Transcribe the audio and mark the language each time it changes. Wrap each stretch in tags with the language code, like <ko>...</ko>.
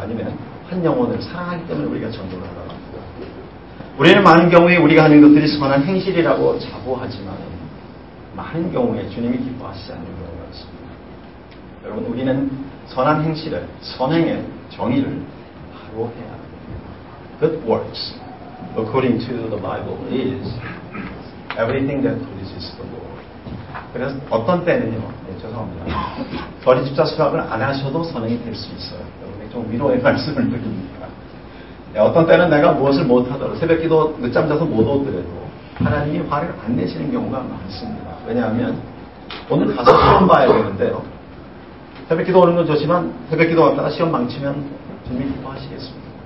<ko>아니면 한 영혼을 사랑하기 때문에 우리가 전도를 하나 우리는 많은 경우에 우리가 하는 것들이 선한 행실이라고 자부하지만 많은 경우에 주님이 기뻐하시지 않는 경우가 있습니다. 여러분 우리는 선한 행실을 선행의 정의를 바로 해야 합니다.</ko> <en>Good works according to the Bible is everything that pleases the Lord.</en> <ko>그래서 어떤 때는요 네, 죄송합니다. 거리집사 수락을 안 하셔도 선행이 될 수 있어요. 여러분 좀 위로의 말씀을 드립니다. 어떤 때는 내가 무엇을 못하더라도 새벽기도 늦잠 자서 못 오더라도 하나님이 화를 안 내시는 경우가 많습니다. 왜냐하면 오늘 가서 시험 봐야 되는데요. 새벽기도 오는 건 좋지만 새벽기도 왔다가 시험 망치면 주님이 기뻐하시겠습니다.</ko>